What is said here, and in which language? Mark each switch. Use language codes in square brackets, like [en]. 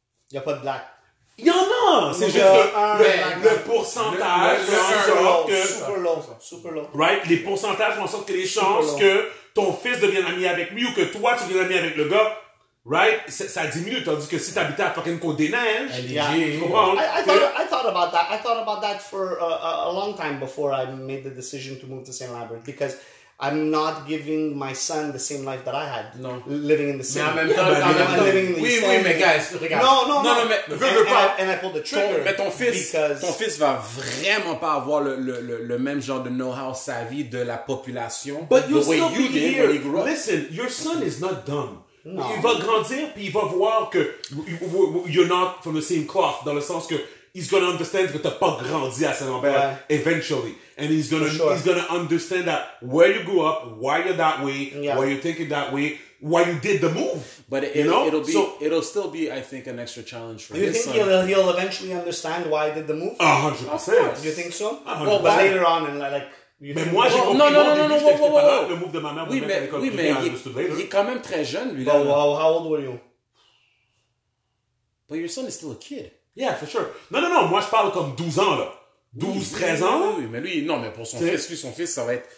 [fr] Il n'y a pas de black. Il y en a! C'est juste le pourcentage fait en sorte que... [en] Super low. Right? [fr] Les pourcentages font en sorte que les chances que ton fils devienne ami avec lui ou que toi, tu deviennes ami avec le gars, right? Ça diminue. Tandis que si tu habitais à fucking Côte-des-Neiges, [en] yeah. I thought about that for a long time before I made the decision to move to Saint-Lambert. Because I'm not giving my son the same life that I had. No. Living in the same... [fr] Mais en même temps, Non, mais regarde. [en] And I pulled the trigger. [fr] Mais ton fils va vraiment pas avoir le même genre de know-how sa vie de la population. [en] But you'll still you be here. When he grew up. Listen, your son is not dumb. No. [fr] Il va grandir, puis il va voir que [en] you're not from the same cloth, [fr] dans le sens que [en] he's going to understand [fr] que t'as pas grandi à Saint-Lambert, ouais. [en] Eventually. And he's gonna understand that where you grew up, why you're that way, yeah. Why you're thinking that way, why you did the move. But it'll still be, I think, an extra challenge for you. You think he'll eventually understand why I did the move? 100%. You think so? 100%. Well, but later on, and like... [fr] Mais moi, j'ai compris. Non, le move de ma mère, vous mettez à l'école. Oui, mais il est quand même très jeune, lui. [en] How old were you? But your son is still a kid. Yeah, for sure. [fr] Non, moi, je parle comme 12 ans, là. 12, 13 ans? Oui, mais lui, non, mais pour son fils, lui, son fils, ça va être.